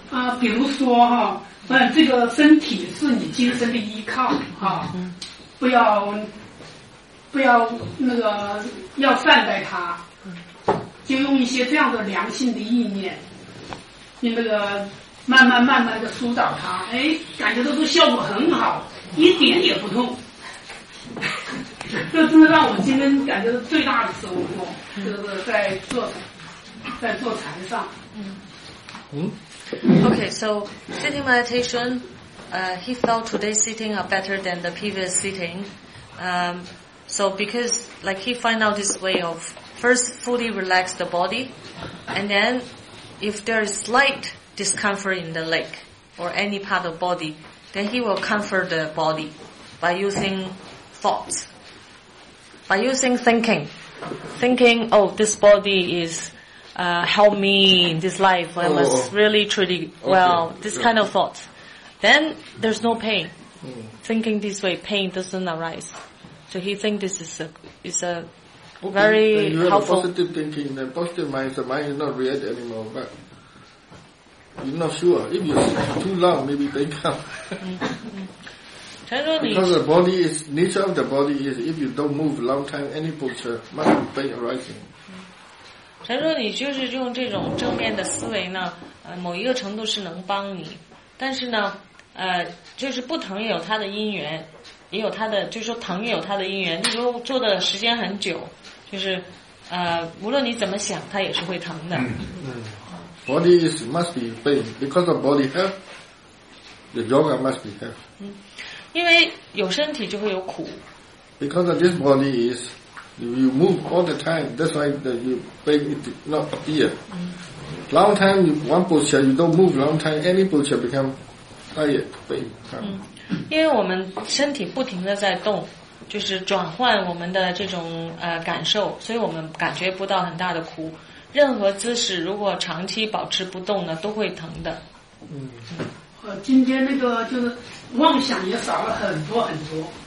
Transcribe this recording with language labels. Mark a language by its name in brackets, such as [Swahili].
[Chinese] 啊，比如说哈，这个身体是你精神的依靠哈，不要那个要善待它，就用一些这样的良性的意念，你那个慢慢的疏导它，哎，感觉到这效果很好，一点也不痛。这真的让我今天感觉到最大的收获，就是在坐禅上。 [English] Okay, so sitting meditation, he thought today's sitting are better than the previous sitting. So because like he find out this way of first fully relax the body, and then if there is slight discomfort in the leg or any part of body, then he will comfort the body by using thoughts, by using thinking, oh, this body is help me in this life, I was really treated well, this kind of thoughts. Then there's no pain. Thinking this way, pain doesn't arise. So he thinks this is a very helpful. You have positive thinking, then positive mind, the mind is not red anymore, but you're not sure. If you sit too long, maybe they come. Because the body is, nature of the body is, if you don't move long time, any posture, must be pain arising. [Chinese] 他说你就是用这种正面的思维呢，某一个程度是能帮你，但是呢，就是不疼也有它的因缘，也有它的，就是说疼也有它的因缘。例如做的时间很久，就是无论你怎么想，它也是会疼的。 [English] Body is must be pain because of body health. The yoga must be health. [Chinese] 因为有身体就会有苦。 [English] Because of this body is. You move all the time, that's why the pain did not appear. Long time, one posture, you don't move long time, any posture becomes tired, pain. [Chinese] 因为我们身体不停地在动，就是转换我们的这种感受，所以我们感觉不到很大的苦。任何姿势如果长期保持不动呢，都会疼的。今天那个就是妄想也少了很多很多。